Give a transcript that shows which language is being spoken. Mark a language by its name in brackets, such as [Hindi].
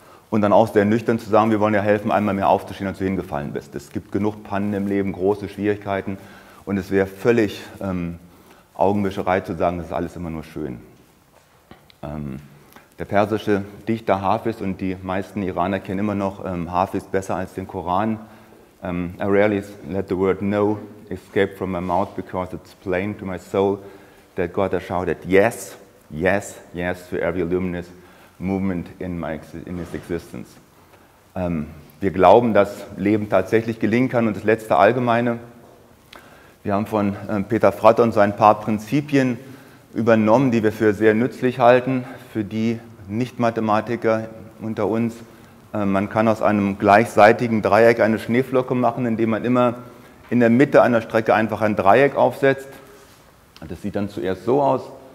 [German] Und dann auch sehr nüchtern zu sagen, wir wollen dir helfen, einmal mehr aufzustehen, als du hingefallen bist. Es gibt genug Pannen im Leben, große Schwierigkeiten. Und es wäre völlig Augenwischerei zu sagen, das ist alles immer nur schön. Der persische Dichter Hafiz, und die meisten Iraner kennen immer noch Hafiz besser als den Koran. [English] I rarely let the word no escape from my mouth, because it's plain to my soul that God has shouted yes, yes, yes to every luminous movement in his existence. [German] Wir glauben, dass Leben tatsächlich gelingen kann. Und das letzte Allgemeine. Wir haben von Peter Fratter und so ein paar Prinzipien übernommen, die wir für sehr nützlich halten, für die Nicht-Mathematiker unter uns. Man kann aus einem gleichseitigen Dreieck eine Schneeflocke machen, indem man immer in der Mitte einer Strecke einfach ein Dreieck aufsetzt. Das sieht dann zuerst so aus.